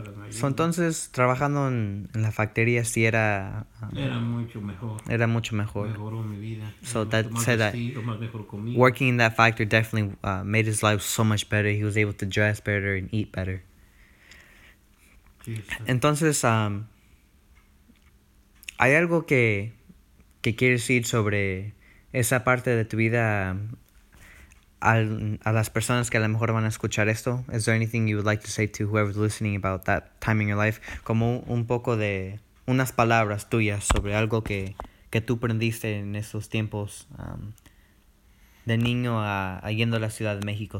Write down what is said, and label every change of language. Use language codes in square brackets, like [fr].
[es] So, entonces, trabajando en la factoría, sí era... Era mucho mejor. Mejoró mi vida. [en] So, that said that working in that factory definitely made his life so much better. He was able to dress better and eat better. [es] Sí, entonces, ¿hay algo que quieres decir sobre esa parte de tu vida... a las personas que a lo mejor van a escuchar esto? [en] Is there anything you would like to say to whoever's listening about that time in your life? [es] Como un poco de unas palabras tuyas sobre algo que tú aprendiste en esos tiempos de niño a yendo a la Ciudad de México.